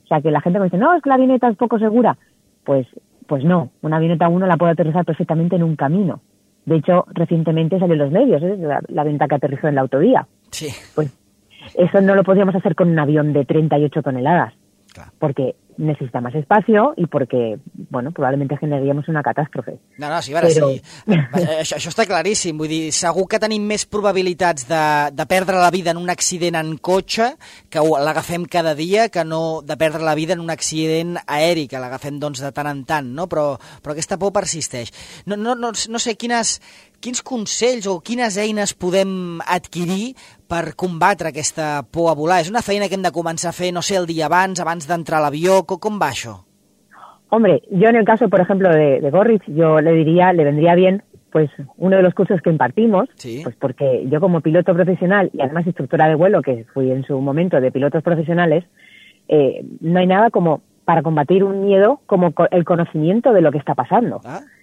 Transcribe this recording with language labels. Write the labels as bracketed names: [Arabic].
[Spanish] O sea, que la gente me dice, no, es que la avioneta es poco segura. Pues no, una avioneta uno la puede aterrizar perfectamente en un camino. De hecho, recientemente salió en los medios, ¿eh?, la venta que aterrizó en la autovía. Sí. Pues eso no lo podríamos hacer con un avión de 38 toneladas, claro, porque necesita más espacio y porque, bueno, probablemente generaríamos una catástrofe. [Catalan] No, sí, ara, sí. Això està claríssim. Vull dir, segur que tenim més probabilitats de perdre la vida en un accident en cotxe, que l'agafem cada dia, que no de perdre la vida en un accident aeri, que l'agafem, doncs, de tant en tant, no? Però aquesta por persisteix. No sé quins consells o quines eines podem adquirir per combatre aquesta por a volar. És una feina que hem de començar a fer, no sé, el dia abans d'entrar a l'avió. Com va això? [Spanish] Hombre, yo en el caso, por ejemplo, de Gorriz, yo le diría, le vendría bien pues uno de los cursos que impartimos, ¿sí? Pues porque yo como piloto profesional y además instructora de vuelo, que fui en su momento de pilotos profesionales, no hay nada como para combatir un miedo como el conocimiento de lo que está pasando. ¿Ah?